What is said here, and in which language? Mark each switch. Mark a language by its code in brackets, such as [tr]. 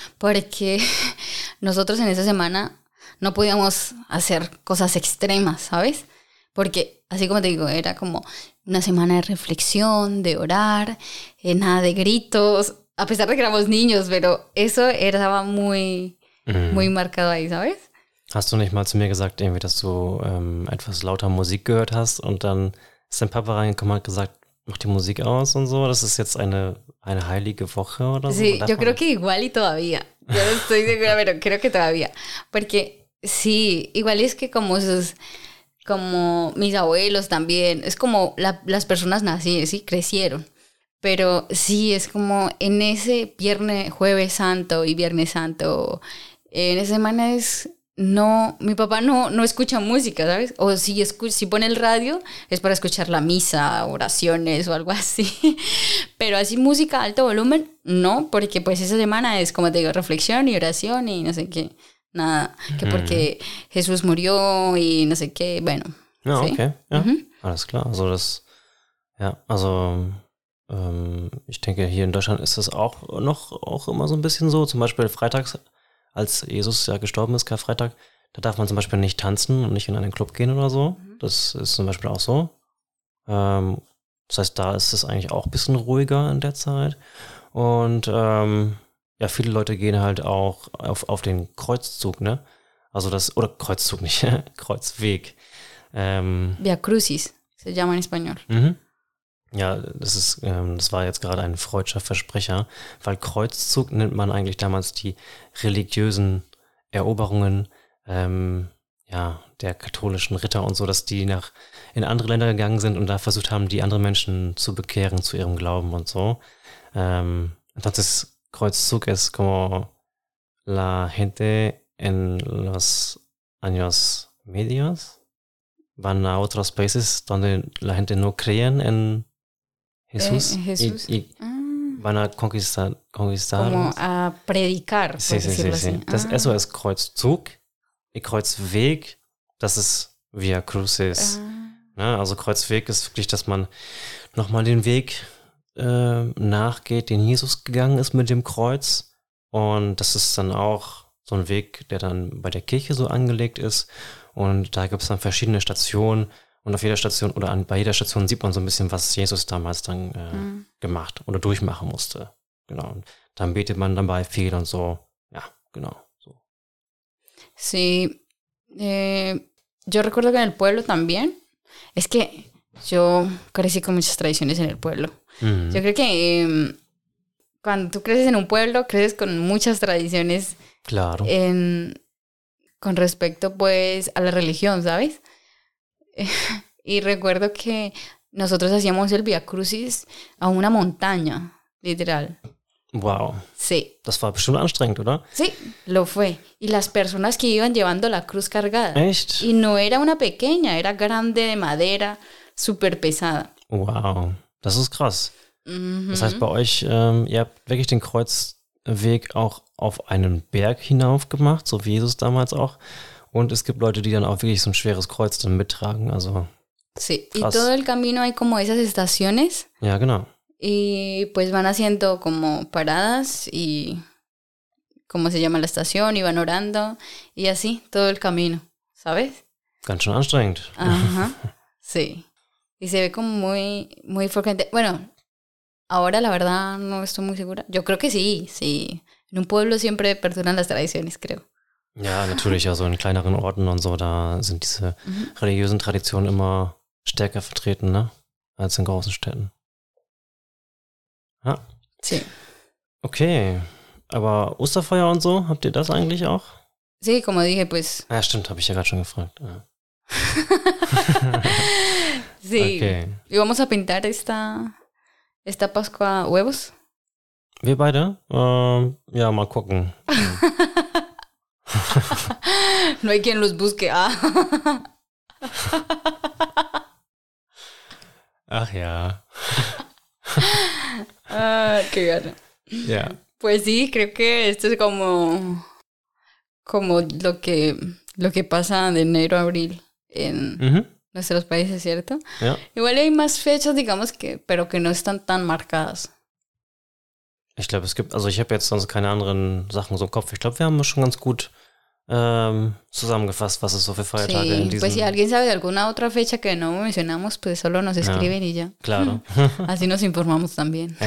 [es] Porque nosotros en esa semana no podíamos hacer cosas extremas, ¿sabes? Porque, así como te digo, era como una semana de reflexión, de orar, nada de gritos, a pesar de que éramos niños, pero eso estaba muy, muy marcado ahí, ¿sabes? [de] Hast du nicht mal zu mir gesagt, irgendwie, dass du etwas lauter Musik gehört hast und dann ist dein Papa reingekommen und hat gesagt, mach die Musik aus und so, das ist jetzt eine heilige Woche oder so? [es] Sí, yo creo que igual y todavía. Yo no estoy segura, pero creo que todavía. Porque sí, igual es que como sus, como mis abuelos también, es como las personas nacidas, sí, crecieron. Pero sí, es como en ese viernes, jueves santo y viernes santo, en esa semana es, no, mi papá no escucha música, ¿sabes? O si pone el radio, es para escuchar la misa, oraciones o algo así. Pero así música a alto volumen, no, porque pues esa semana es, como te digo, reflexión y oración y no sé qué, nada. Que porque Jesús murió y no sé qué, bueno. No, ¿sí? Ok, yeah. Uh-huh. Alles klar. [de] Also das, ja, also ich denke, hier in Deutschland ist das auch noch auch immer so ein bisschen so, zum Beispiel freitags, als Jesus ja gestorben ist, Karfreitag, da darf man zum Beispiel nicht tanzen und nicht in einen Club gehen oder so. Das ist zum Beispiel auch so. Das heißt, da ist es eigentlich auch ein bisschen ruhiger in der Zeit. Und ja, viele Leute gehen halt auch auf den Kreuzzug, ne? Also das, oder Kreuzzug nicht, Kreuzweg. [es] Via Crucis, se llama en español. Mhm. [de] Ja, das ist, das war jetzt gerade ein freudscher Versprecher, weil Kreuzzug nennt man eigentlich damals die religiösen Eroberungen ja, der katholischen Ritter und so, dass die nach in andere Länder gegangen sind und da versucht haben, die anderen Menschen zu bekehren zu ihrem Glauben und so. [es] Entonces, Kreuzzug es como la gente en los años medios van a otros países donde la gente no creen en Jesús. Van a conquistar. Como a predicar. Sí, sí, sí, sí. Das eso es Kreuzzug. Y Kreuzweg, [de] das ist [es] Via Crucis. [de] Ja, also Kreuzweg ist wirklich, dass man nochmal den Weg nachgeht, den Jesus gegangen ist mit dem Kreuz. Und das ist dann auch so ein Weg, der dann bei der Kirche so angelegt ist. Und da gibt es dann verschiedene Stationen. Und auf jeder Station oder bei jeder Station sieht man so ein bisschen, was Jesus damals dann gemacht oder durchmachen musste. Genau. Und dann betet man dabei viel und so. Ja, genau. So. [es] Sí. Yo recuerdo que en el pueblo también. Es que yo crecí con muchas tradiciones en el pueblo. Mm-hmm. Yo creo que cuando tú creces en un pueblo, creces con muchas tradiciones. Claro. Con respecto, pues, a la religión, ¿sabes? Y recuerdo que nosotros hacíamos el Via Crucis a una montaña, literal. Wow. Sí. [de] Das war bestimmt anstrengend, oder? [es] Sí, lo fue. Y las personas que iban llevando la cruz cargada. [de] Echt? [es] Y no era una pequeña, era grande, de madera, súper pesada. [de] Wow, das ist krass. Mhm. Das heißt, bei euch, ihr habt wirklich den Kreuzweg auch auf einen Berg hinauf gemacht, so wie Jesus damals auch. Und es gibt Leute, die dann auch wirklich so ein schweres Kreuz dann mittragen, also [es] sí. Krass. Sí, y todo el camino hay como esas estaciones. [de] Ja, genau. [es] Y pues van haciendo como paradas y cómo se llama la estación, y van orando y así todo el camino, ¿sabes? [de] Ganz schön anstrengend. [es] Ajá, sí. Y se ve como muy, muy frecuente. Bueno, ahora la verdad no estoy muy segura. Yo creo que sí, sí. En un pueblo siempre perduran las tradiciones, creo. [de] Ja, natürlich, also in kleineren Orten und so, da sind diese religiösen Traditionen immer stärker vertreten, ne? Als in großen Städten. Ja. [es] Sí. [de] Okay, aber Osterfeuer und so, habt ihr das eigentlich auch? [es] Sí, como dije, pues. [de] Ja, stimmt, habe ich ja gerade schon gefragt. Ja. [es] Sí. Okay. Y vamos a pintar esta Pascua huevos. [de] Wir beide? Ja, mal gucken. [es] No hay quien los busque. [de] Ach ja. [es] qué gana. [de] Ja. [es] Pues sí, creo que esto es como lo que pasa de enero a abril en nuestros países, ¿cierto? [de] Ja. [es] Igual hay más fechas, digamos, pero que no están tan marcadas. [de] Ich glaube, es gibt, also ich habe jetzt sonst keine anderen Sachen so im Kopf. Ich glaube, wir haben schon ganz gut zusammengefasst, was es so für Feiertage sí, in diesem... [es] Pues si alguien sabe de alguna otra fecha que no mencionamos, pues solo nos escriben ja, y ya. Claro. Así nos informamos también.